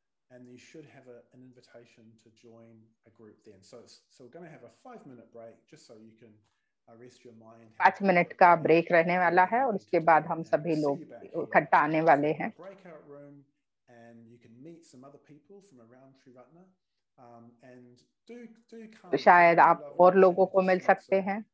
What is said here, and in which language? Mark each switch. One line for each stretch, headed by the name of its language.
English: And you should have an invitation to join a group then. So we're going to have a 5 minute break just so you can rest your mind.
Hindi: 5 minute का break रहने वाला है, और इसके बाद हम सभी लोग इकट्ठा आने वाले हैं.
English: Breakout room, and you can meet some other people from around Sri Ratna. And do come.
Hindi: शायद आप और लोगों को मिल सकते हैं.